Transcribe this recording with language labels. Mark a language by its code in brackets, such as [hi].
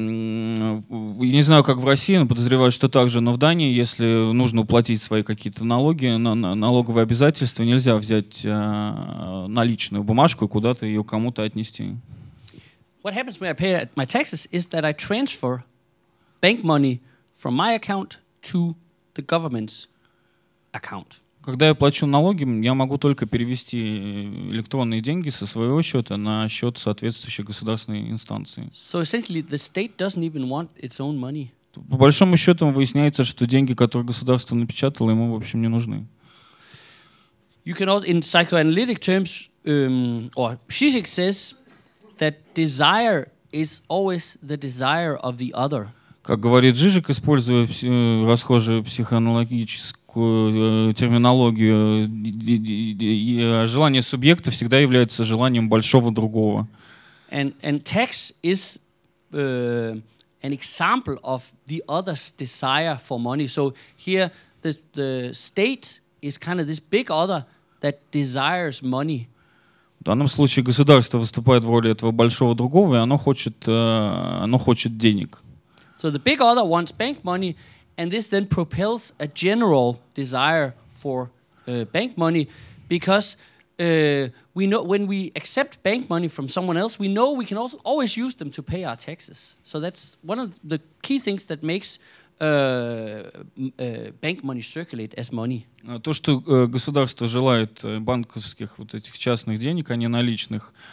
[ru] Я не знаю, как в России, но подозреваю, что так же. Но в Дании, если нужно уплатить свои какие-то налоги, налоговые обязательства, нельзя взять наличную бумажку и куда-то ее кому-то отнести. [en] What happens when I pay my taxes is that I transfer bank money from my account to the government's account. [ru] Когда я плачу налоги, я могу только перевести электронные деньги со своего счета на счет соответствующей государственной инстанции. [en] So essentially, the state doesn't even want its own money. [ru] По большому счету выясняется, что деньги, которые государство напечатало, ему в общем не нужны. [en] You can also, in psychoanalytic terms, or Žižek says that desire is always the desire of the other. [ru] Как говорит Жижек, используя расхожую психоаналогическую терминологию, желание субъекта всегда является желанием большого другого. [en] And tax is an example of the other's desire for money. So here the state is kind of this big other that desires money. [ru] В данном случае государство выступает в роли этого большого другого, и оно хочет денег. [en] So the big other wants bank money, and this then propels a general desire for bank money, because we know when we accept bank money from someone else, we know we can also always use them to pay our taxes. So that's one of the key things that makes bank money circulate as money. [ru] То, что государство желает банковских вот этих частных денег, а не наличных.